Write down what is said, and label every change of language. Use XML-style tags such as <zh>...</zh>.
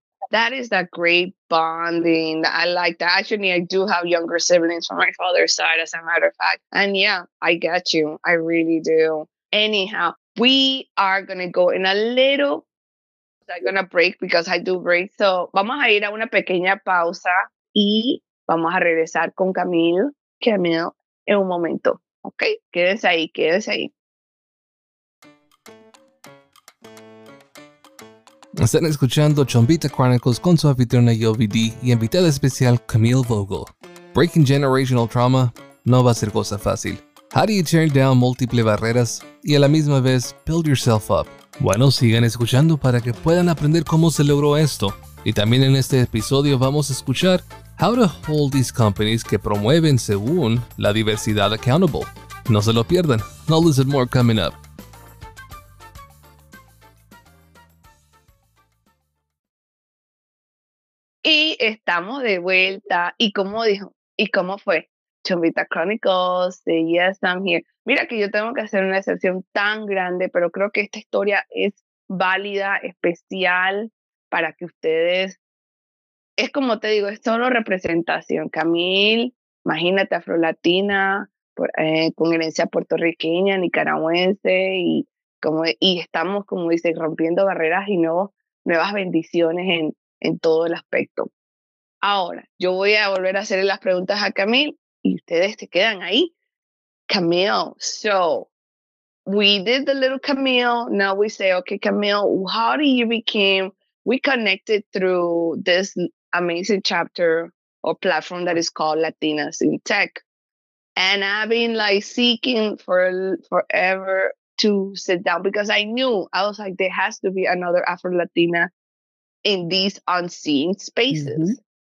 <en>That is that great bonding. I like that. Actually, I do have younger siblings from my father's side, as a matter of fact. And yeah, I get you. I really do. Anyhow. We are going to go in a little, I'm going to break because I do break.</en> <es>So vamos a ir a una pequeña pausa y vamos a regresar con Camille en un momento. Okay, quédense ahí. Están escuchando Chombita Chronicles con su anfitriona YoVD y invitada especial Camille Vogel.</es> <en>Breaking generational trauma</en> <es>no va a ser cosa fácil.</es> <en>How do you tear down multiple</en> <es>barreras y a la misma vez</es> <en>build yourself up?</en> <es>Bueno, sigan escuchando para que puedan aprender cómo se logró esto. Y también en este episodio vamos a escuchar</es> <en>how to hold these companies</en> <es>que promueven según la diversidad</es> <en>accountable.</en> <es>No se lo pierdan.</es> <en>No listen more coming up.</en> <es>Y estamos de vuelta. ¿Y cómo dijo? ¿Y cómo fue?</es> <en>Chombita Chronicles, yes, I'm here.</en> <es>Mira que yo tengo que hacer una excepción tan grande, pero creo que esta historia es válida, especial, para que ustedes, es como te digo, es solo representación. Camille, imagínate, afrolatina, con herencia puertorriqueña, nicaragüense, y estamos, como dices, rompiendo barreras y nuevas bendiciones en todo el aspecto. Ahora, yo voy a volver a hacerle las preguntas a Camille. Y ustedes se quedan ahí.</es> <en>Camille, so we did the little Camille. Now we say, okay, Camille, how do you became, we connected through this amazing chapter or platform that is called Latinas in Tech. And I've been like seeking forever to sit down because I knew, I was like, there has to be another Afro-Latina in these unseen spaces. Mm-hmm.</en>